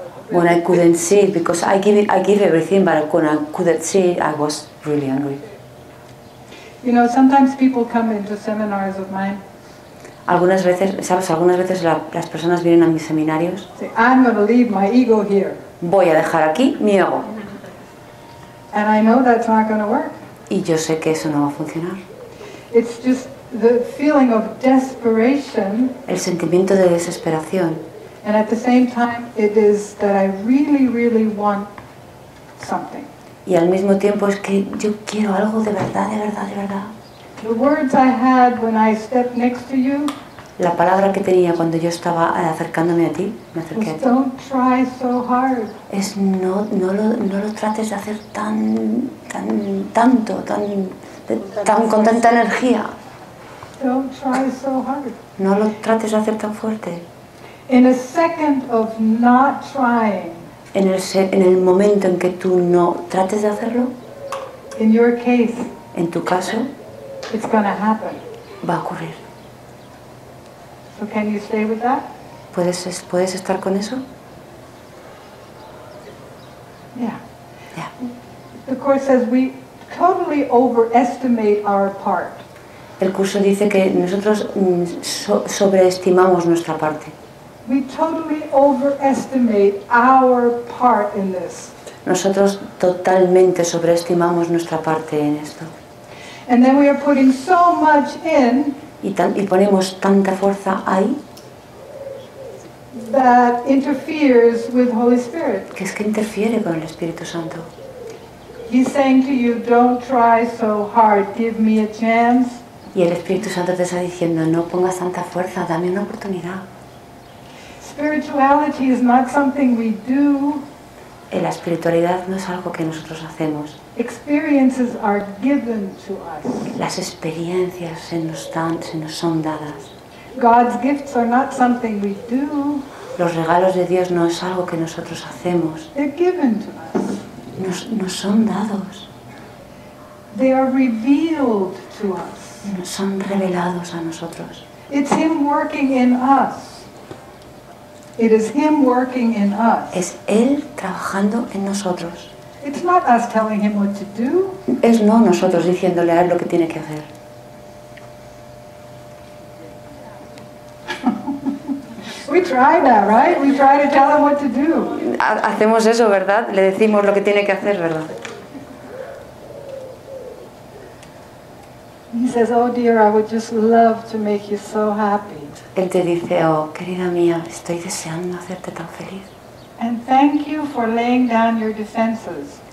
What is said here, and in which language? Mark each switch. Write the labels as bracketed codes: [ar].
[en] when I couldn't see, because I give everything, but when I couldn't see, I was really angry. You know, sometimes people come into seminars of mine. [es] Algunas veces, sabes, algunas veces las personas vienen a mis seminarios. [en] Say, I'm going to leave my ego here. [es] Voy a dejar aquí mi ego. [en] And I know that's not going to work. [es] Y yo sé que eso no va a funcionar. [en] It's just the feeling of desperation. [es] El sentimiento de desesperación. [en] And at the same time, it is that I really, really want something. [es] Y al mismo tiempo es que yo quiero algo de verdad, de verdad, de verdad. [en] The words I had when I stepped next to you. [es] La palabra que tenía cuando yo estaba acercándome a ti, me acerqué a ti. [en] Don't try so hard. [es] Es no lo trates de hacer tan con tanta energía. [en] Don't try so hard. [es] No lo trates de hacer tan fuerte. [en] In a second of not trying. [es] En el momento en que tú no trates de hacerlo. [en] In your case. [es] En tu caso. [en] It's going to happen. [es] Va a ocurrir. [en] So can you stay with that? [es] ¿Puedes estar con eso? [en] Yeah. Yeah. The course says we totally overestimate our part. [es] El curso dice que nosotros sobreestimamos nuestra parte. [en] We totally overestimate our part in this. [es] Nosotros totalmente sobreestimamos nuestra parte en esto. [en] And then we are putting so much in. [es] Y ponemos tanta fuerza ahí. [en] That interferes with Holy Spirit. [es] Que es que interfiere con el Espíritu Santo. [en] He's saying to you, don't try so hard. Give me a chance. [es] Y el Espíritu Santo te está diciendo, no pongas tanta fuerza. Dame una oportunidad. [en] Spirituality is not something we do. [es] La espiritualidad no es algo que nosotros hacemos. [en] Experiences are given to us. [es] Las experiencias se nos son dadas. [en] God's gifts are not something we do. [es] Los regalos de Dios no es algo que nosotros hacemos. [en] They're given to us. [es] Nos son dados. [en] They are revealed to us. [es] Nos son revelados a nosotros. [en] It's Him working in us. It is Him working in us. [es] Es Él trabajando en nosotros. [en] It's not us telling Him what to do. [es] Es no nosotros diciéndole a Él lo que tiene que hacer. [en] We try that, right? We try to tell Him what to do. [es] Hacemos eso, ¿verdad? Le decimos lo que tiene que hacer, ¿verdad? [en] He says, oh dear, I would just love to make you so happy. [es] Él te dice, oh, querida mía, estoy deseando hacerte tan feliz. [en] And thank you for laying down your defenses.